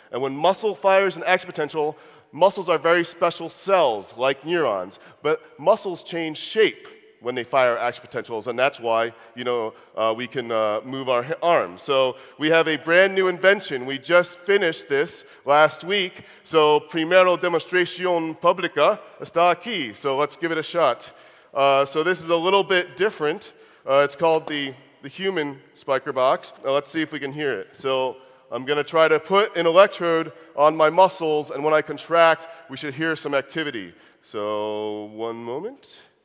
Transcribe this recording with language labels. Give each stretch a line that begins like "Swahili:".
English: And when muscle fires an action potential, muscles are very special cells, like neurons. But muscles change shape when they fire action potentials, and that's why, you know, we can move our arms. So we have a brand new invention. We just finished this last week.
Spanish: So primero demostración pública está aquí.
English: So let's give it a shot. So this is a little bit different. It's called the human Spikerbox. Now let's see if we can hear it. So I'm gonna try to put an electrode on my muscles, and when I contract, we should hear some activity. So one moment.